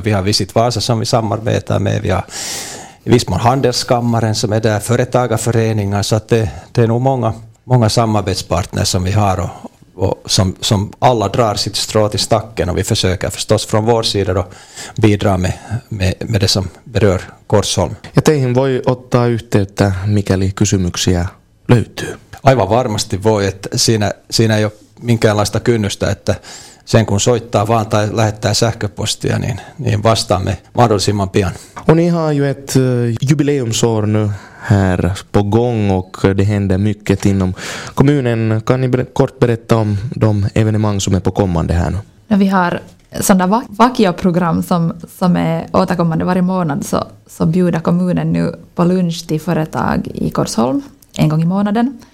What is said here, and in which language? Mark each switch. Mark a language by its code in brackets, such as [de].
[sv] Vi har Visit Vasa som vi samarbetar med, vi har Visman Handelskammaren som är där, företagarföreningar, så att det är nog många samarbetspartner som vi har och som alla drar sitt strå till stacken och vi försöker förstås från vår sida då bidra med det som berör Korsholm. [fi] Ja teihin voi ottaa yhteyttä, mikäli kysymyksiä löytyy. Aivan varmasti voi, että siinä ei ole minkäänlaista kynnystä, että sen kun soittaa vaan tai lähettää sähköpostia, niin vastaamme mahdollisimman pian. On ihan [sv] ju ett jubileumsår nu här på gång och det händer mycket inom kommunen. Kan ni kort berätta om de evenemang som är på kommande här nu? Ja, vi har sådana vakioprogram som är återkommande varje månad, så bjuder kommunen nu på lunch till företag i Korsholm en gång i månaden.